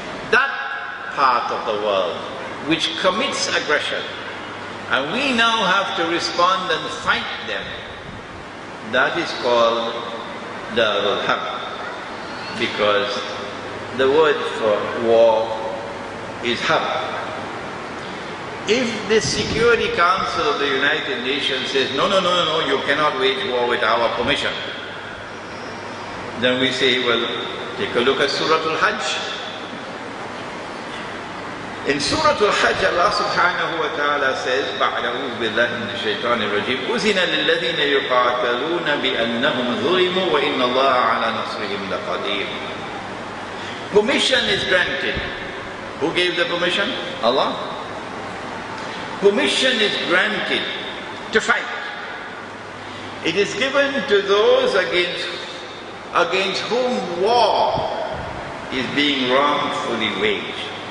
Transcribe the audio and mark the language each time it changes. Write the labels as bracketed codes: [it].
[en] That part of the world which commits aggression, and we now have to respond and fight them, that is called Darul Harb, because the word for war is Harb. If the Security Council of the United Nations says, no, you cannot wage war with our permission, then we say, well, take a look at Surah Al-Hajj. In Surah Al-Hajj, Allah subhanahu wa ta'ala says, [ar] بَعْلَهُ بِاللَّهِ مِنَ الشَّيْطَانِ الرَّجِيمِ أُذِنَ لِلَّذِينَ يُقَاتَلُونَ بِأَنَّهُمْ ظُلِمُوا وَإِنَّ اللَّهَ عَلَى نَصْرِهِمْ لَقَدِيرٌ. [en] Permission is granted. Who gave the permission? Allah. Permission is granted to fight. It is given to those against whom war is being wrongfully waged.